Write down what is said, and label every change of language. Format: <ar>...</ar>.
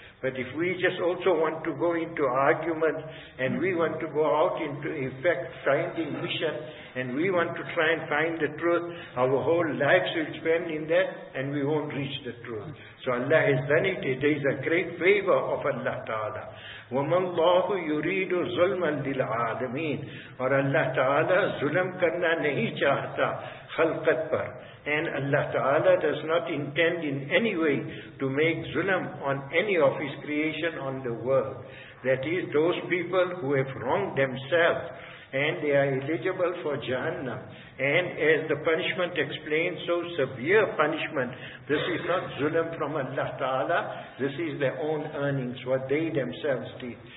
<en>But if we just also want to go into argument, and we want to go out into effect finding mission, and we want to try and find the truth, our whole lives will spend in that, and we won't reach the truth. So Allah has done it. It is a great favor of Allah Ta'ala.</en> <ar>وَمَا اللَّهُ يُرِيدُ ظُلْمًا لِلْعَالَمِينَ.</ar> <ur>اور اللہ تعالیٰ ظلم کرنا نہیں چاہتا خلقت پر.</ur> <en>And Allah Ta'ala does not intend in any way to make zulm on any of His creation on the world. That is, those people who have wronged themselves, and they are eligible for Jahannam. And as the punishment explains, so severe punishment, this is not zulm from Allah Ta'ala, this is their own earnings, what they themselves did.</en>